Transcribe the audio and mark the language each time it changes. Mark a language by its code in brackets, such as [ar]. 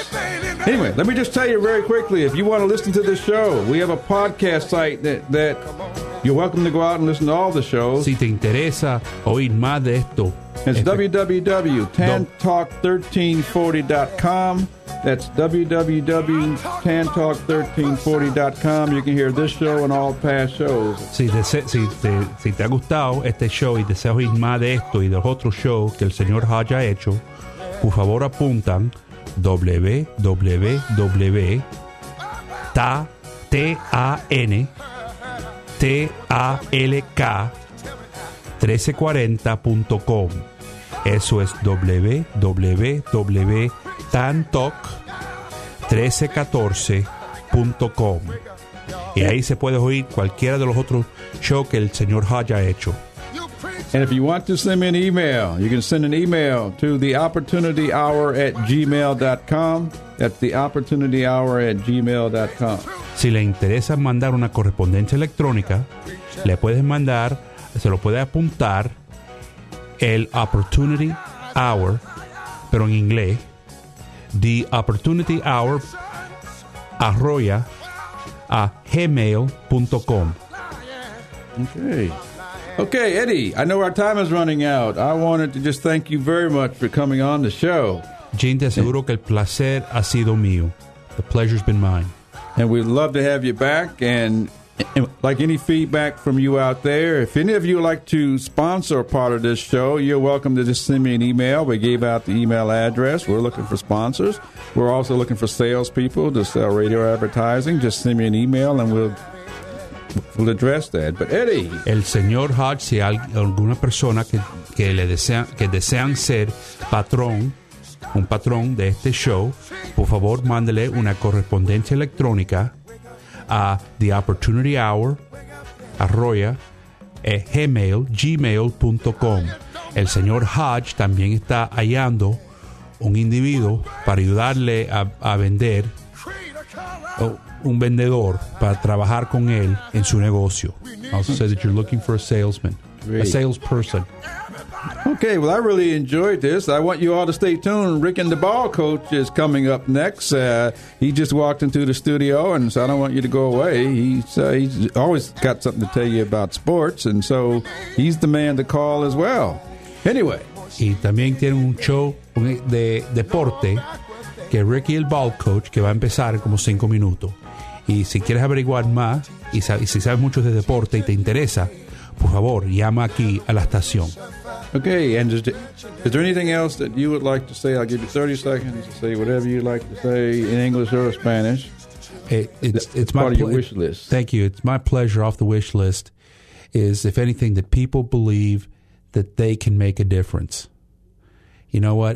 [en] Anyway, let me just tell you very quickly, if you want to listen to the show, we have a podcast site that you're welcome to go out and listen to all the shows. [es] Si te interesa oír más de esto. [en] It's www.tantalk1340.com. That's www.tantalk1340.com. You can hear this show and all past shows. [es] Si te ha gustado este show y deseas oír más de esto y de los otros shows que el señor Hodge ha hecho, por favor apuntan www.tantalk1340.com. Eso es www.tantalk1314.com. Y ahí se puede oír cualquiera de los otros shows que el señor Hodge ha hecho. [en] And if you want to send me an email, you can send an email to theopportunityhour@gmail.com. That's theopportunityhour@gmail.com. [es] Si le interesa mandar una correspondencia electrónica, le puedes mandar, se lo puede apuntar, el Opportunity Hour, pero en inglés, theopportunityhour@gmail.com. [en] Okay. Okay, Eddie, I know our time is running out. I wanted to just thank you very much for coming on the show. [es] Gene, te aseguro que el placer ha sido mío. [en] The pleasure's been mine. And we'd love to have you back. And like any feedback from you out there, if any of you would like to sponsor part of this show, you're welcome to just send me an email. We gave out the email address. We're looking for sponsors. We're also looking for salespeople to sell radio advertising. Just send me an email and we'll address that. But Eddie, [es] el señor Hodge, si alguna persona que desean ser patrón, un patrón de este show, por favor mándele una correspondencia electrónica a theopportunityhour@gmail.com. El señor Hodge también está hallando un individuo para ayudarle a vender, o un vendedor para trabajar con él en su negocio. [en] Also say that you're looking for a salesman. Great. A salesperson. Okay, well, I really enjoyed this. I want you all to stay tuned. Rick and the Ball Coach is coming up next. He just walked into the studio, and so I don't want you to go away. He's always got something to tell you about sports, and so he's the man to call as well. Anyway. [es] Y también tiene un show de deporte que Ricky el Ball Coach, que va a empezar en como 5 minutos. Y si quieres averiguar más, y si sabes mucho de deporte y te interesa, por favor, llama aquí a la estación. [en] Okay, and is there anything else that you would like to say? I'll give you 30 seconds to say whatever you'd like to say in English or Spanish. It's part of your wish list. Thank you. It's my pleasure. Off the wish list is, if anything, that people believe that they can make a difference. You know what?